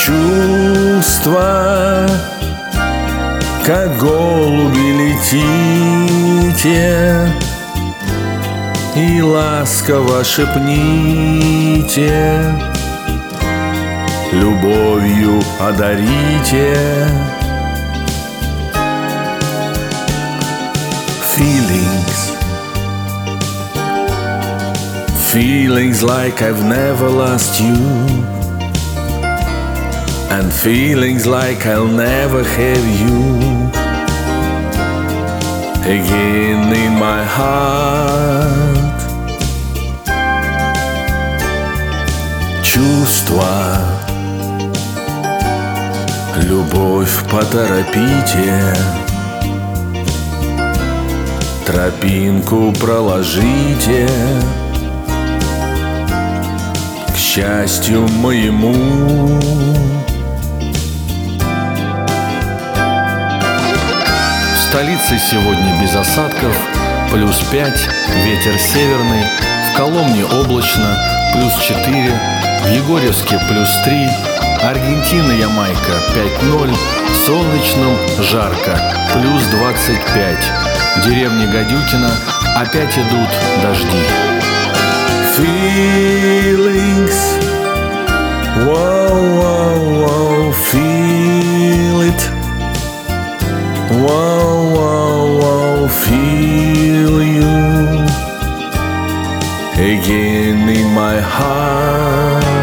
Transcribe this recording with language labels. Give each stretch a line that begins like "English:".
Russian: Чувства, как голуби, летите и ласково шепните, любовью одарите.
English: Feelings, feelings like I've never lost you, and feelings like I'll never have you again in my heart.
Russian: Чувства, любовь, поторопите, тропинку проложите к счастью моему. В столице сегодня без осадков, плюс 5, ветер северный, в Коломне облачно, плюс 4, в Егорьевске плюс 3, Аргентина, Ямайка 5-0, в Солнечном жарко, плюс 25, в деревне Гадюкино опять идут дожди.
English: Feelings, wow, wow, wow, feel it. Wow, wow, wow, feel you again in my heart.